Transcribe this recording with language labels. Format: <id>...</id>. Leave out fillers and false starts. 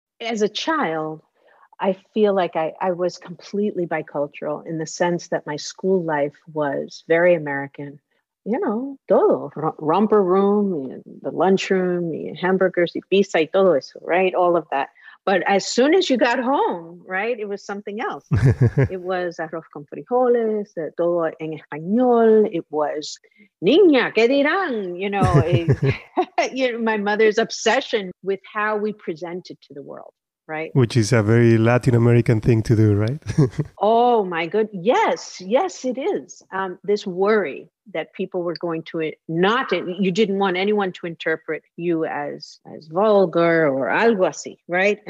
<en>As a child, I feel like I was completely bicultural in the sense that my school life was very American. you know,</en> <es>todo,</es> <en>romper room, the lunchroom, the hamburgers, the pizza,</en> <es>y todo eso,</es> <en>right? All of that. But as soon as you got home, right, it was something else. It was arroz con frijoles,</en> <es>todo en español.</es> <en>It was,</en> <es>niña, ¿qué dirán?</es> <en>You know, my mother's obsession with how we presented to the world, right? Which is a very Latin American thing to do, right? Oh, my goodness. Yes. Yes, it is. This worry that people were going to not, you didn't want anyone to interpret you as vulgar or</en> <es>algo así,</es> <en>right?</en>